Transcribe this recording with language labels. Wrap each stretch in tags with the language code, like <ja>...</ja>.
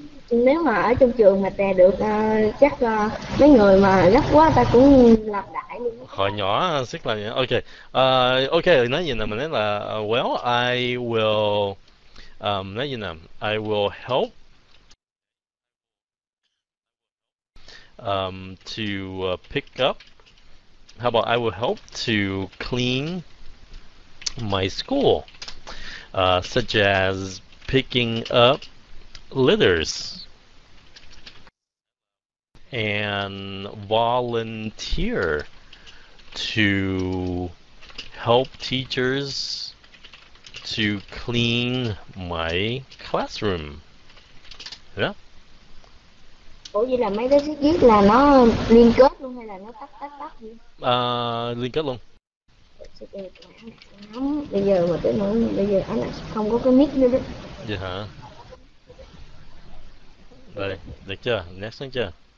<vi>Nếu mà ở trong trường mà tè được chắc mấy người mà gấp quá ta cũng làm đại luôn Hồi nhỏ rất là ok. Ok, nói gì nào, mình nói là well, nói gì nào,</vi> <en>I will help to pick up. How about I will help to clean my school, such as picking up litters and volunteer to help teachers to clean my classroom.</en> <vi>Ủa vậy là mấy cái chữ viết là nó liên kết luôn hay là nó tách tách tách gì? Liên kết luôn. Bây giờ mà tới nỗi bây giờ anh là không có cái mic nữa đó. Vậy hả? Đây, được chưa? Nét xong chưa?</vi>